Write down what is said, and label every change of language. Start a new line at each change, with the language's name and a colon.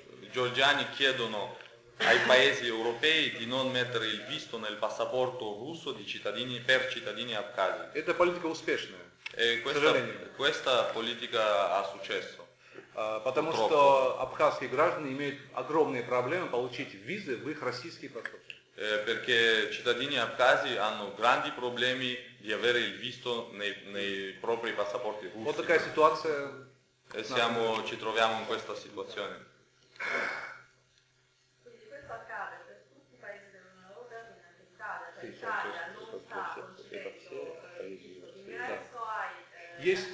Italian: Georgiani chiedono ai paesi europei di non mettere il visto nel passaporto russo di cittadini per cittadini abkhazi.
Russian: Это политика успешная.
Italian: Questa politica ha successo.
Russian: Потому что абхазские граждане имеют огромные проблемы получить визы в их российские паспорта.
Italian: Perché cittadini abkhazi hanno grandi problemi di avere il visto nei propri passaporti russi.
Russian: Вот такая ситуация.
Italian: Ci troviamo in questa situazione. Quindi questo accade per tutti i paesi dell'Unione Europea, quindi anche l'Italia, cioè l'Italia non sta concedendo l'ingresso ai